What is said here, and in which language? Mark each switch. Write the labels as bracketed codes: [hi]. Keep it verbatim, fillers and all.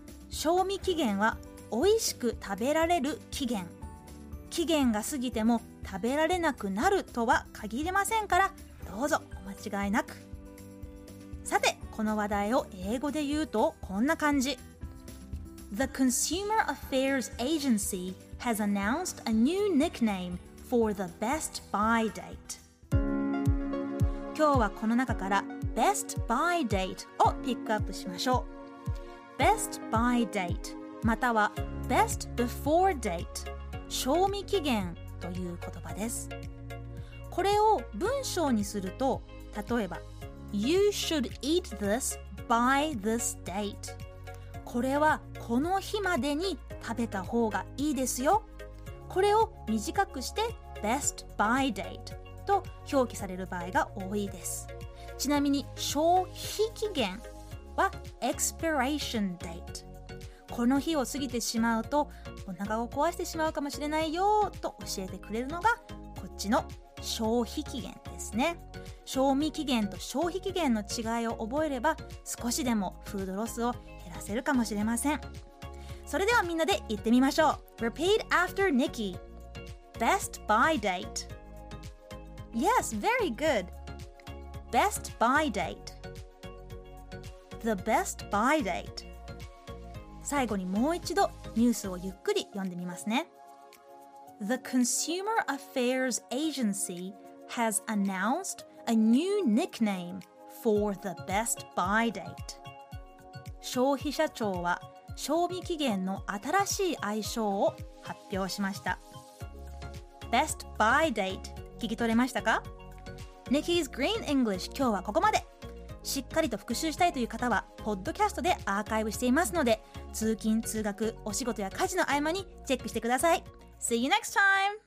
[ja] 賞味期限は美味しく食べられる期限、期限が過ぎても食べられなくなるとは限りませんから、どうぞお間違いなく。さて、この話題を英語で言うとこんな感じ。 [en] The Consumer Affairs Agency has announced a new nickname for the best buy date. [ja] 今日はこの中からBest Buy Dateをピックアップしましょう。 Best Buy DateまたはBest Before Date、賞味期限という言葉です。これを文章にすると、例えば [en] You should eat this by this date。 [ja] これはこの日までに食べた方がいいですよ。これを短くしてBest Buy Dateと表記される場合が多いです。ちなみに消費期限は expiration date。この日を過ぎてしまうとお腹を壊してしまうかもしれないよと教えてくれるのがこっちの消費期限ですね。賞味期限と消費期限の違いを覚えれば少しでもフードロスを減らせるかもしれません。それではみんなで言ってみましょう。 [en] Repeat after Nikki. Best by date. Yes, very good. Best buy date. The best buy date. [ja] 最後にもう一度ニュースをゆっくり読んでみますね。 [en] The Consumer Affairs Agency has announced a new nickname for the best buy date. [ja] 消費者庁は賞味期限の新しい愛称を発表しました。 Best buy date。 聞き取れましたか？ Nikki's Green English 今日はここまで。しっかりと復習したいという方はポッドキャストでアーカイブしていますので、通勤通学、お仕事や家事の合間にチェックしてください。 [en] See you next time!